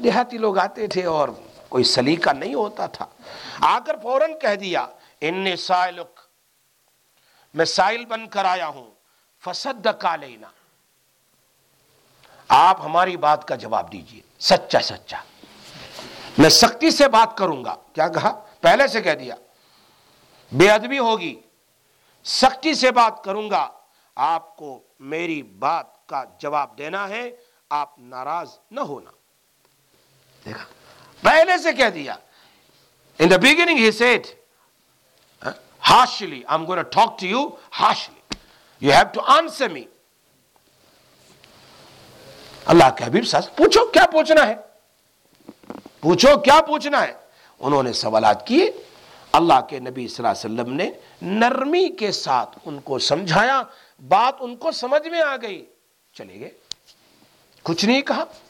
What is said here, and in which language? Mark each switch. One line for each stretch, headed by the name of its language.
Urdu: دیہاتی لوگ آتے تھے اور کوئی سلیقہ نہیں ہوتا تھا، آ کر فوراً کہہ دیا،
Arabic: انی سائلک،
Urdu: میں سائل بن کر آیا ہوں،
Arabic: فصدق علینا،
Urdu: آپ ہماری بات کا جواب دیجئے، سچا سچا، میں سختی سے بات کروں گا. کیا کہا؟ پہلے سے کہہ دیا، بے ادبی ہوگی، سختی سے بات کروں گا، آپ کو میری بات کا جواب دینا ہے، آپ ناراض نہ ہونا. دیکھا، پہلے سے کہہ دیا.
English: In the beginning he said harshly, I'm going to talk to you harshly, you have to answer me.
Urdu: اللہ کے حبیب صاحب، پوچھو کیا پوچھنا ہے، پوچھو کیا پوچھنا ہے. انہوں نے سوالات کیے، اللہ کے نبی صلی اللہ علیہ وسلم نے نرمی کے ساتھ ان کو سمجھایا، بات ان کو سمجھ میں آ گئی، چلے گئے، کچھ نہیں کہا.